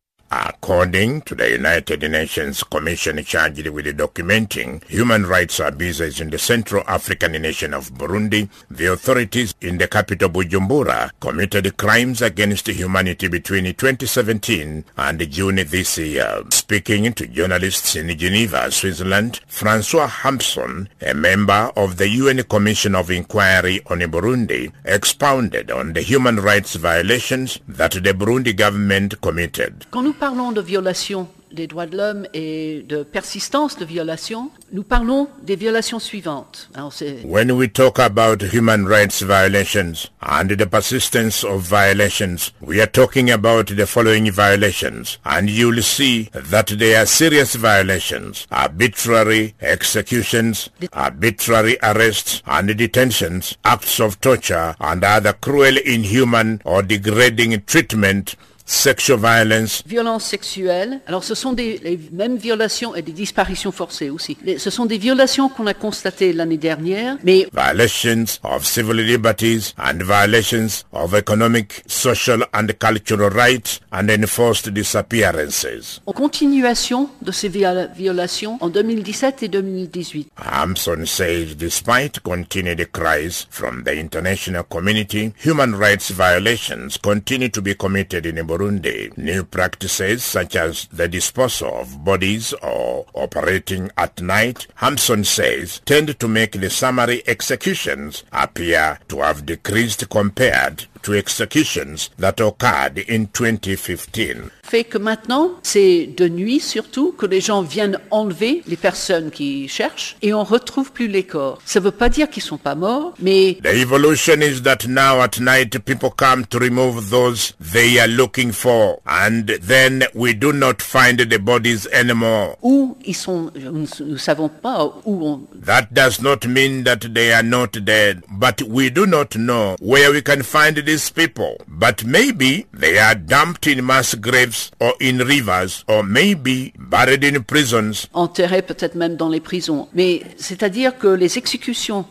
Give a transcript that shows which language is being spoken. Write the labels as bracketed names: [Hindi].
[English] According to the United Nations Commission charged with documenting human rights abuses in the Central African nation of Burundi, the authorities in the capital Bujumbura committed crimes against humanity between 2017 and June this year. Speaking to journalists in Geneva, Switzerland, Francois Hampson, a member of the UN Commission of Inquiry on Burundi, expounded on the human rights violations that the Burundi government committed. [French] Parlons de violation des droits de l'homme et de persistance de violation. Nous parlons des violations suivantes. [English] When we talk about human rights violations and the persistence of violations, we are talking about the following violations, and you'll see that they are serious violations: arbitrary executions, arbitrary arrests and detentions, acts of torture and other cruel, inhuman or degrading treatment. Sexual violence. [French] Violence sexuelle. Alors ce sont les mêmes violations et des disparitions forcées aussi. Ce sont des violations qu'on a constatées l'année dernière, mais... [English] Violations of civil liberties and violations of economic, social and cultural rights and enforced disappearances. [French] En continuation de ces violations en 2017 et 2018. [English] Hampson says despite continued cries from the international community, human rights violations continue to be committed in Burundi. New practices such as the disposal of bodies or operating at night, Hampson says, tend to make the summary executions appear to have decreased compared to executions that occurred in 2015. [French] Fait que maintenant, c'est de nuit surtout que les gens viennent enlever les personnes qui cherchent et on retrouve plus les corps. Ça veut pas dire qu'ils sont pas morts, mais... [English] The evolution is that now at night people come to remove those they are looking for and then we do not find the bodies anymore. [French] Où ils sont, nous savons pas où on... [English] That does not mean that they are not dead, but we do not know where we can find these people. But maybe they are dumped in mass graves or in rivers, or maybe buried in prisons. [French] Enterrés peut-être même dans les prisons. Mais c'est-à-dire que les exécutions...